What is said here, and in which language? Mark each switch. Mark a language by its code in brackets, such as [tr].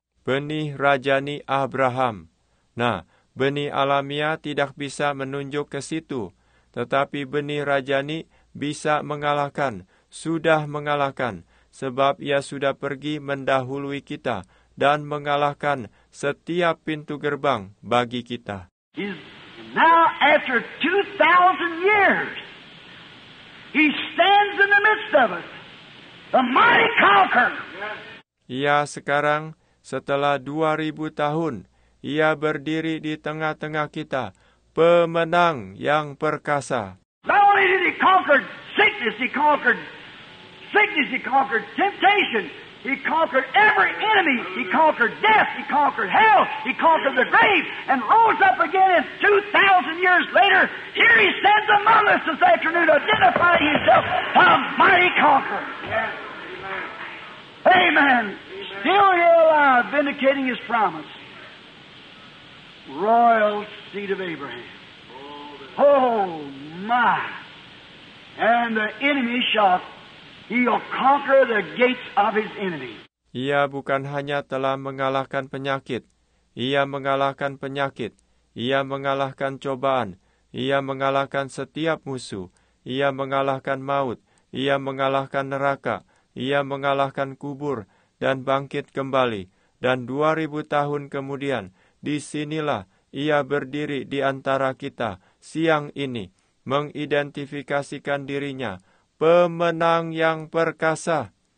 [id] Benih Rajani Abraham. Nah, benih alamiah tidak bisa menunjuk ke situ, tetapi benih Rajani bisa mengalahkan, sudah mengalahkan, sebab ia sudah pergi mendahului kita dan mengalahkan setiap pintu gerbang bagi kita. [en] Now after 2,000 years, he stands in the midst of us, the mighty conqueror. [id] Ia sekarang, setelah 2,000 tahun, ia berdiri di tengah-tengah kita, pemenang yang perkasa. [en] Not only did he conquer sickness, he conquered sickness, he conquered temptation, he conquered every enemy, he conquered death, he conquered hell, he conquered the grave, and rose up again, and 2,000 years later, here he stands among us this afternoon, identifying himself a mighty conqueror. Yes. Amen. Amen. Still here alive, vindicating his promise. Royal seed of Abraham. Oh, my. And the enemy shall, he'll conquer the gates of his enemy. [id] Ia bukan hanya telah mengalahkan penyakit. Ia mengalahkan penyakit. Ia mengalahkan cobaan. Ia mengalahkan setiap musuh. Ia mengalahkan maut. Ia mengalahkan neraka. Ia mengalahkan kubur. Dan bangkit kembali, dan 2,000 tahun kemudian, disinilah ia berdiri di antara kita siang ini, mengidentifikasikan dirinya, pemenang yang perkasa.